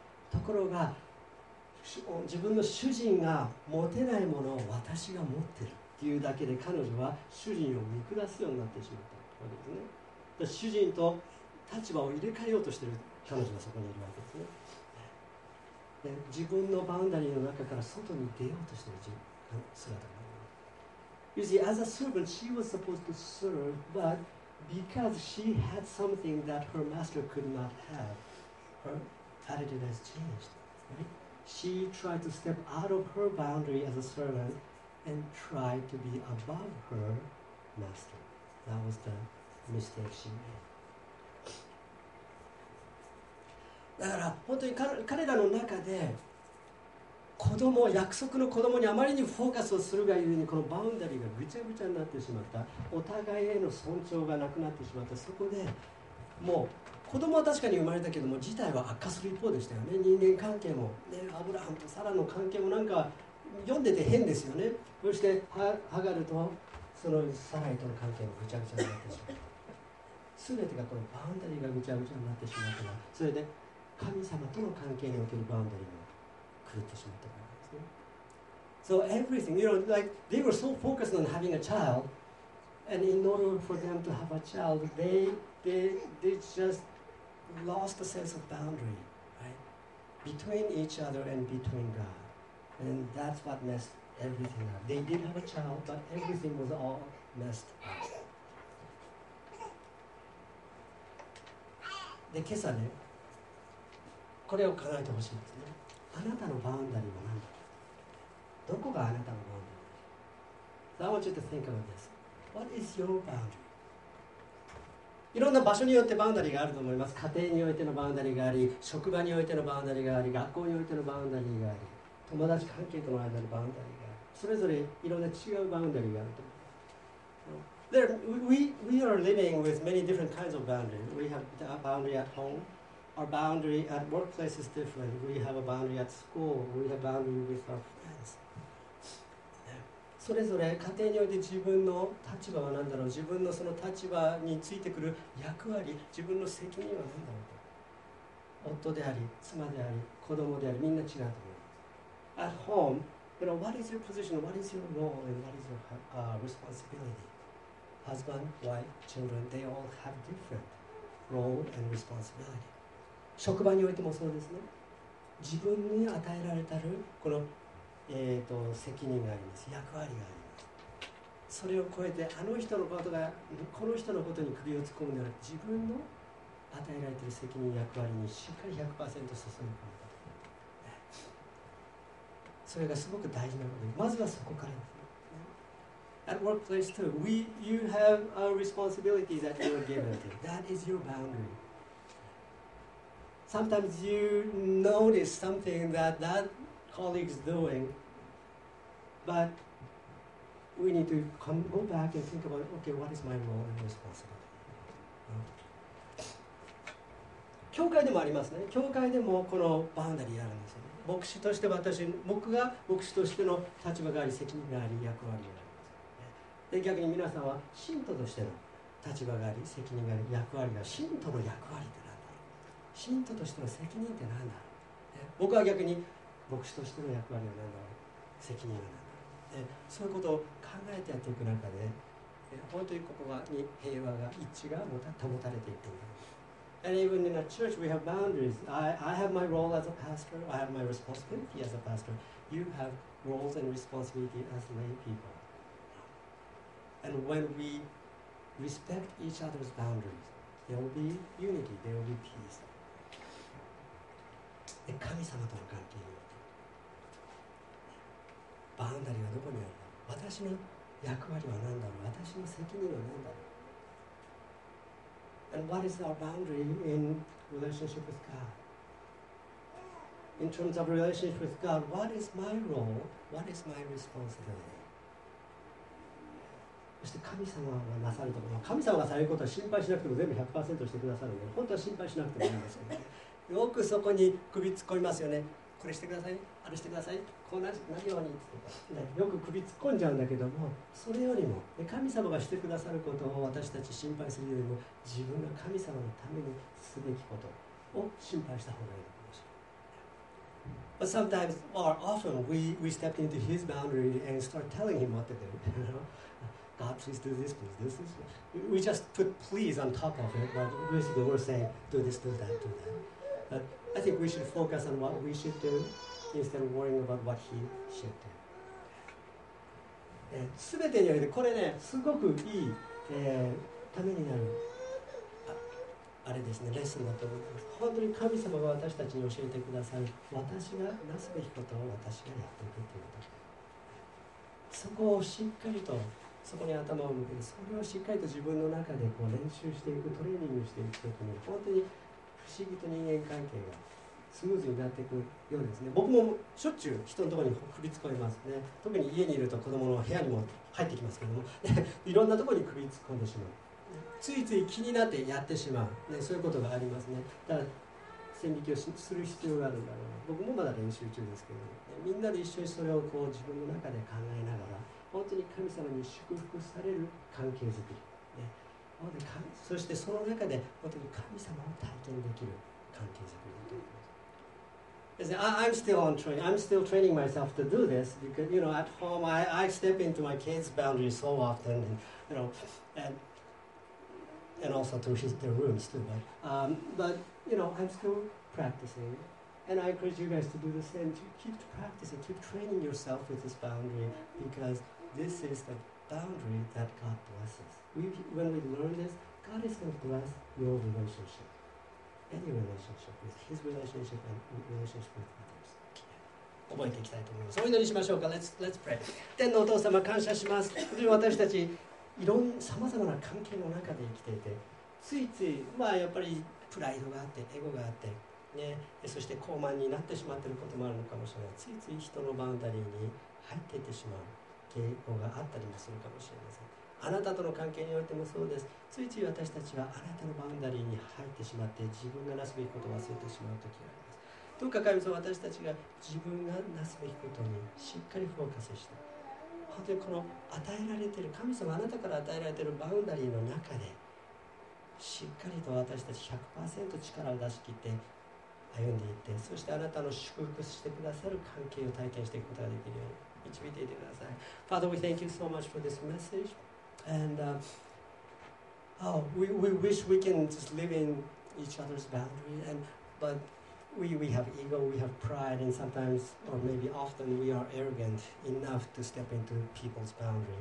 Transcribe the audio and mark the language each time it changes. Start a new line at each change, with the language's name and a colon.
Japanese: ところが自分の主人が持てないものを私が持ってるっていうだけで、彼女は主人を見下すようになってしまったわけですね。で、主人と立場を入れ替えようとしている彼女がそこにいるわけですね。で、自分のバウンダリーの中から外に出ようとしている姿がある。
English: You see, as a servant, she was supposed to serve, but because she had something that her master could not have, her attitude has changed. Right? She tried to step out of her boundary as a servant and tried to be above her master. That was the mistake she made.
Japanese: だから本当に彼らの中で子供、約束の子供にあまりにフォーカスをするがゆえに、このバウンダリーがぐちゃぐちゃになってしまった。お互いへの尊重がなくなってしまった。そこでもう子供は確かに生まれたけども事態は悪化する一方でしたよね。人間関係も、ね、アブラハムとサラの関係もなんか読んでて変ですよね。そしてハガルとそのサライとの関係もぐちゃぐちゃになってしまった。全てがこのバウンダリーがぐちゃぐちゃになってしまったから、それで神様との関係におけるバウンダリーも狂ってしまったからですね。
English: So everything, you know, like they were so focused on having a child, and in order for them to have a child, they just lost the sense of boundary, right? Between each other and between God. And that's what messed everything up. They did have a child, but everything was all messed up.
Japanese: で、今朝ね、これを叶えてほしいんですね。あなたのバウンダリーは何だ？どこがあなたのバウンダリー？
English: So I want you to think about this. What is your boundary?
Japanese: いろんな場所によってバウンダリーがあると思います。家庭においてのバウンダリーがあり、職場においてのバウンダリーがあり、学校においてのバウンダリーがあり、友達関係との間のバウンダリーがあり、それぞれいろんな違うバウンダリーがあると思います。
English: We are living with many different kinds of boundaries. We have a boundary at home. Our boundary at workplace is different. We have a boundary at school. We have boundary with our friends.
Japanese: それぞれ家庭において自分の立場は何だろう、自分のその立場についてくる役割、自分の責任は何だろうと。夫であり、妻であり、子供であり、みんな違うと思います。
English: At home, you know, what is your position, what is your role, and what is your responsibility? Husband, wife, children, they all have different role and responsibility.
Japanese: 職場においてもそうですね。自分に与えられたるこの責任があります。役割があります。それを超えて、あの人のことが、この人のことに首を突っ込むのは、自分の与えられている責任、役割にしっかり 100% 注ぐこと。それがすごく大事なことです。まずはそこからですね。
English: At workplace too, you have a responsibility that you are given to. That is your boundary. Sometimes you notice something that colleague is doing, but we need to go back and think about, okay, what is my role and responsibility?
Japanese: 教会でもありますね。教会でもこのバウンダリーあるんですよね。牧師として私、僕が牧師としての立場があり、責任があり、役割があります。で、逆に皆さんは信徒としての立場があり、責任があり、役割が、信徒の役割って何だろう？信徒としての責任って何だろう？僕は逆に牧師としての役割は何だろう、責任は何だろう、そういうことを考えてやっていく中で、本当にここに平和が、一致が保たれていっている。
English: And even in a church, we have boundaries. I have my role as a pastor. I have my responsibility as a pastor. You have roles and responsibility as lay people. And when we respect each other's boundaries, there will be unity. There will be peace.
Japanese: で、神様との関係によってバウンダリーはどこにあるか、私の役割は何だろう、私の責任は何だろう。
English: And what is our boundary in relationship with God? In terms of relationship with God, what is my role? What is my responsibility?
Japanese: そして神様がなさるところ、神様がされることは心配しなくても全部 100% してくださるので、本当は心配しなくてもいいんですよね。よくそこに首突っ込みますよね。これしてください、あれしてください、こうなるようにって、ね、よく首突っ込んじゃうんだけども、それよりも神様がしてくださることを私たち心配するよりも、自分が神様のためにすべきことを心配した方がいいかもしれない。
English: But sometimes or often we step into his boundary and start telling him what to do. You know, God, please do this, please do this. We just put please on top of it, but basically we're saying do this, do that, do that. But I think we should focus on what we should do instead of worrying about what he should do.
Japanese: すべてにおいて、これね、すごくいい、ためになる あれですね、レッスンだと思います。本当に神様が私たちに教えてください、私がなすべきことを私がやっていくということ、そこをしっかりと、そこに頭を向けて、それをしっかりと自分の中でこう練習していく、トレーニングしていくときに、本当に不思議と人間関係がスムーズになっていくようですね。僕もしょっちゅう人のところに首突っ込みますね。特に家にいると子供の部屋にも入ってきますけども、いろんなところに首突っ込んでしまう。ついつい気になってやってしまう、ね、そういうことがありますね。だから線引きをする必要があるんだろう。僕もまだ練習中ですけど、ね、みんなで一緒にそれをこう自分の中で考えながら、本当に神様に祝福される関係づくり、ね、そしてその中で本当に神様を体験できる関係づくりだと思います。
English: I'm still on training. I'm still training myself to do this because, you know, at home I step into my kids' boundaries so often, and, you know, and also to their rooms too. But you know, I'm still practicing, and I encourage you guys to do the same. To keep practicing, keep training yourself with this boundary, because this is the boundary that God blesses. When we learn this, God is going to bless your relationship. Any relationship with his relationship and relationship with others.
Japanese: 覚えていきたいと思います。お祈りしましょうか。
English: Let's pray.
Japanese: 天のお父様、感謝します。私たち、いろんなさまざまな関係の中で生きていて、ついつい、まあ、やっぱりプライドがあって、エゴがあって、ね、そして高慢になってしまっていることもあるのかもしれない。ついつい人のバウンダリーに入っていってしまう傾向があったりもするかもしれません。あなたとの関係においてもそうです。ついつい私たちはあなたのバウンダリーに入ってしまって、自分がなすべきことを忘れてしまうときがあります。どうか神様、私たちが自分がなすべきことにしっかりフォーカスして、本当にこの与えられている、神様あなたから与えられているバウンダリーの中で、しっかりと私たち 100% 力を出し切って歩んでいって、そしてあなたの祝福してくださる関係を体験していくことができるように導いていてください。
English: Father, we thank you so much for this message. And we wish we can just live in each other's boundary, and but we have ego, we have pride, and sometimes or maybe often we are arrogant enough to step into people's boundary.